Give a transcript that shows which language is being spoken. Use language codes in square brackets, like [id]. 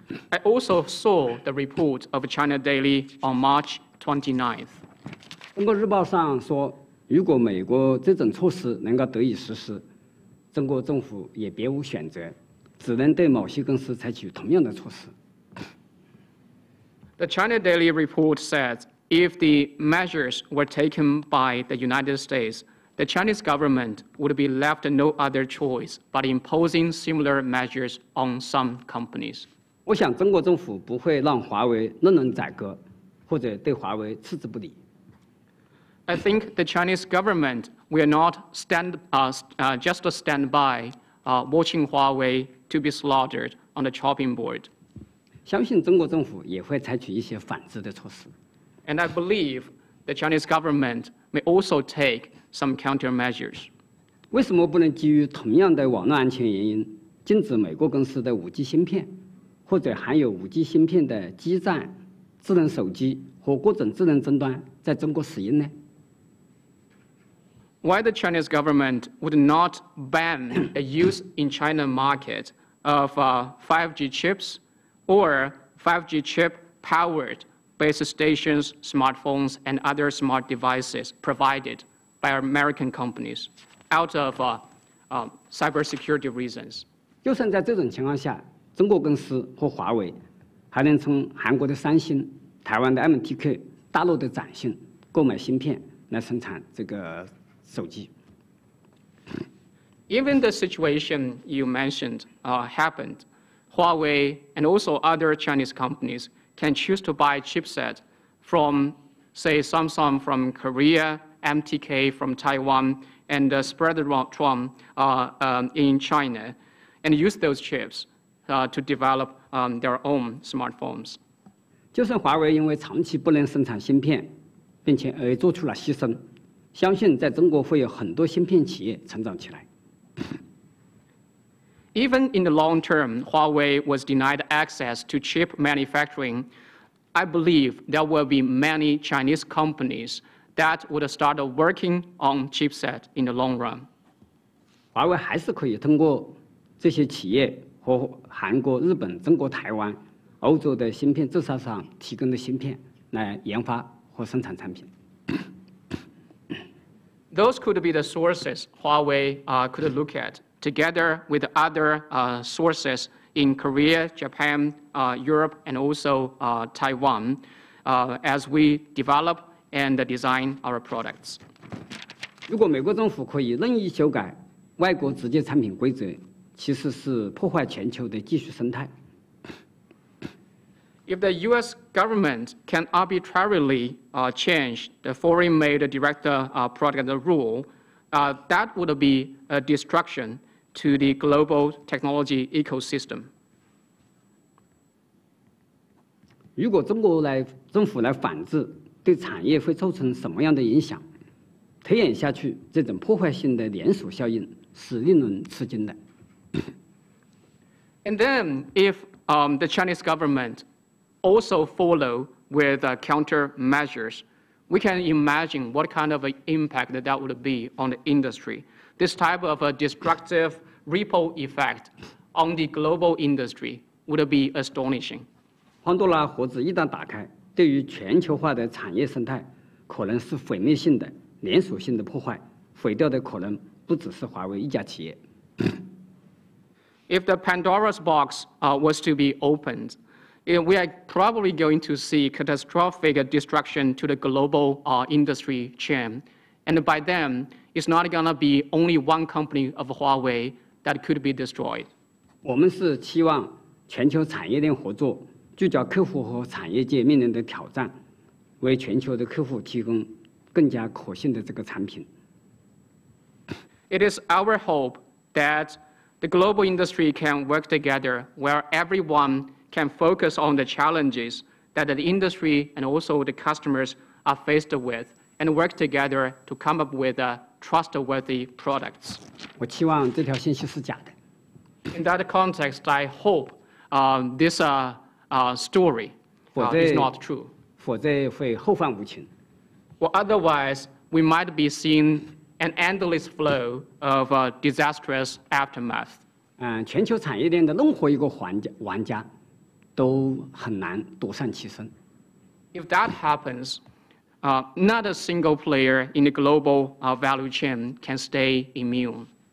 [en] I also saw the report of China Daily on March 29th. [zh] 中国日报上说，如果美国这种措施能够得以实施，中国政府也别无选择，只能对某些公司采取同样的措施。 [en] The China Daily Report says if the measures were taken by the United States, the Chinese government would be left no other choice but imposing similar measures on some companies. [zh] 我想中国政府不会让华为任人宰割，或者对华为嗤之不理。 [en] I think the Chinese government will not stand, just stand by, watching Huawei to be slaughtered on the chopping board. [zh] 相信中国政府也会采取一些反制的措施。 [en] And I believe the Chinese government may also take some countermeasures. [zh] 为什么不能基于同样的网络安全原因，禁止美国公司的 5G 芯片，或者含有 5G 芯片的基站、智能手机和各种智能终端在中国使用呢？ [en] Why the Chinese government would not ban the use in China market of 5G chips or 5G chip powered base stations, smartphones, and other smart devices provided by American companies out of cybersecurity reasons? [zh] 就算在这种情况下，中国公司和华为还能从韩国的三星、台湾的 MTK、大陆的展讯购买芯片来生产这个。 [en] Even the situation you mentioned happened, Huawei and also other Chinese companies can choose to buy chipset from, say, Samsung from Korea, MTK from Taiwan, and spread around in China, and use those chips to develop their own smartphones. [zh] 就算华为因为长期不能生产芯片，并且而做出了牺牲。相信在中国会有很多芯片企业成长起来。 [en] Even in the long term, Huawei was denied access to chip manufacturing. I believe there will be many Chinese companies that would start working on chipset in the long run. [zh] 华为还是可以通过这些企业和韩国、日本、中国、台湾、欧洲的芯片制造商提供的芯片来研发和生产产品。 [en] Those could be the sources Huawei could look at, together with other sources in Korea, Japan, Europe, and also Taiwan, as we develop and design our products. [zh] 如果美国政府可以任意修改外国直接产品规则，其实是破坏全球的技术生态。 [en] If the US government can arbitrarily change the foreign-made direct product rule, that would be a destruction to the global technology ecosystem. [zh] 如果中国来政府来反制，对产业会造成什么样的影响？推演下去，这种破坏性的连锁效应是令人吃惊的。 [en] And then if the Chinese government also follow with countermeasures, we can imagine what kind of an impact that would be on the industry. This type of a destructive ripple effect on the global industry would be astonishing. [zh] 潘多拉盒子一旦打开，对于全球化的产业生态可能是毁灭性的连锁性的破坏，毁掉的可能不只是华为一家企业。 [en] If the Pandora's box was to be opened,we are probably going to see catastrophic destruction to the global industry chain. And by then, it's not going to be only one company of Huawei that could be destroyed. [zh] 我们是期望全球产业链合作，聚焦客户和产业界面临的挑战，为全球的客户提供更加可信的这个产品。 [en] It is our hope that the global industry can work together where everyonecan focus on the challenges that the industry and also the customers are faced with and work together to come up with trustworthy products. [zh] 我期望这条信息是假的。 [en] In that context, I hope this story is not true. [zh] 否则会后患无穷。 [en] Well, otherwise, we might be seeing an endless flow of disastrous aftermath. [zh] 全球产业链的任何一个玩家都很难独善其身。 [en] If that happens, not a single player in the global value chain can stay immune.